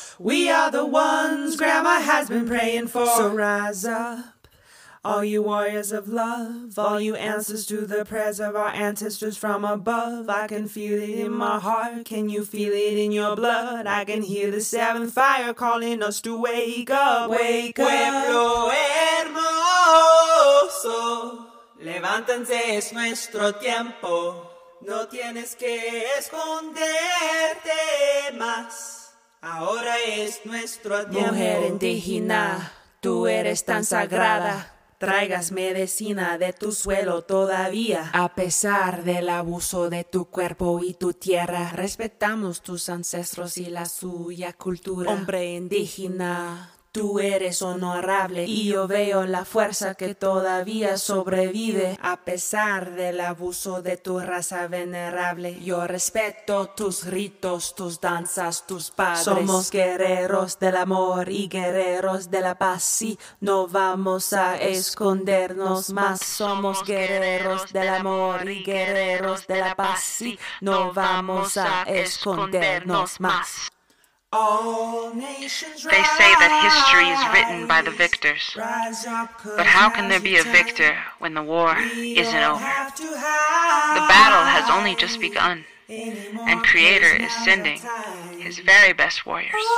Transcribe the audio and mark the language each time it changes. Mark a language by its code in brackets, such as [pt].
[en] We are the ones Grandma has been praying for. So rise up, all you warriors of love, all you answers to the prayers of our ancestors from above. I can feel it in my heart. Can you feel it in your blood? I can hear the seventh fire calling us to wake up, wake up. [es] Pueblo hermoso, levántense, es nuestro tiempo. No tienes que esconderte más. Ahora es nuestro tiempo. Mujer indígena, tú eres tan sagrada. Traigas medicina de tu suelo todavía. A pesar del abuso de tu cuerpo y tu tierra, respetamos tus ancestros y la suya cultura. Hombre indígena, tú eres honorable. Y yo veo la fuerza que todavía sobrevive. A pesar del abuso de tu raza venerable, yo respeto tus ritos, tus danzas, tus padres. Somos guerreros del amor y guerreros de la paz. Sí, no vamos a escondernos más. Somos guerreros del amor y guerreros de la paz. Sí, no vamos a escondernos más. [en] They say that history is written by the victors, but how can there be a victor when the war isn't over? The battle has only just begun, and Creator is sending his very best warriors.